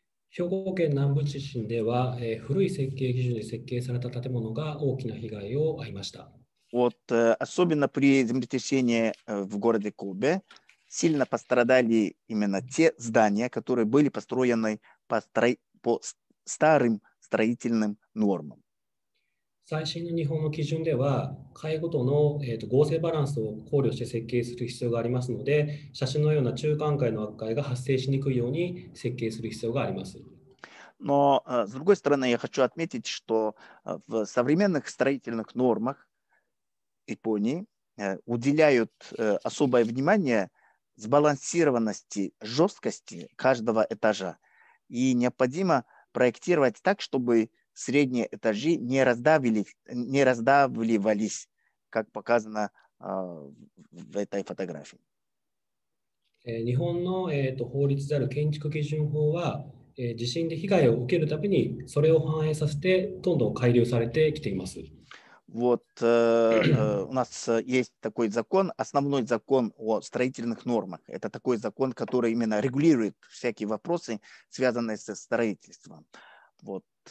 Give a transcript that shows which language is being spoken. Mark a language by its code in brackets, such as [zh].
[ja] 兵庫県南部地震では、古い設計基準で設計された建物が大きな被害を遭いました。 [ru] Вот, особенно при землетрясении в городе Кобе сильно пострадали именно те здания, которые были построены по старым строительным нормам. [ja] 最新の日本の基準では、階ごとの、合成バランスを考慮して設計する必要がありますので、写真のような中間階の悪化が発生しにくいように設計する必要があります。 [ru] Но, с другой стороны, я хочу отметить, что в современных строительных нормах Японии уделяют особое внимание сбалансированности жесткости каждого этажа. И необходимо проектировать так, чтобы средние этажи не раздавливались, как показано в этой фотографии. [ja] 日本の法律である建築基準法は地震で被害を受けるたびにそれを反映させてどんどん改良されてきています。 [ru] Вот у нас есть такой закон, основной закон о строительных нормах. Это такой закон, который именно регулирует всякие вопросы, связанные со строительством. Вот.